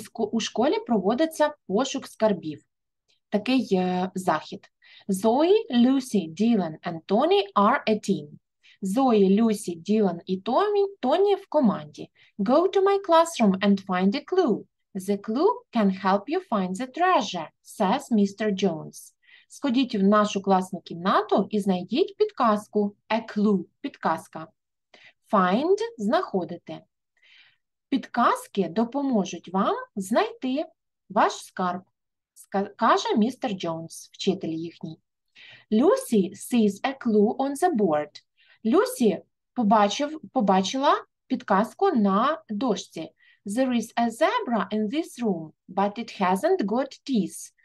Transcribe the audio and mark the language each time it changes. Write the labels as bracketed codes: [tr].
[uk] У школі проводиться пошук скарбів. Такий захід. [en] Зої, Люсі, Ділан і Тоні are a team. [uk] Зої, Люсі, Ділан і Тоні в команді. [en] Go to my classroom and find a clue. The clue can help you find the treasure, says Mr. Jones. [uk] Сходіть в нашу класну кімнату і знайдіть підказку. [en] A clue – підказка. Find – знаходити. [uk] Підказки допоможуть вам знайти ваш скарб, каже Mr. [en] Jones, [uk] вчитель їхній. [en] Люсі sees a clue on the board. [uk] Люсі побачила підказку на дошці. [en] There is a zebra in this room, but it hasn't got teeth.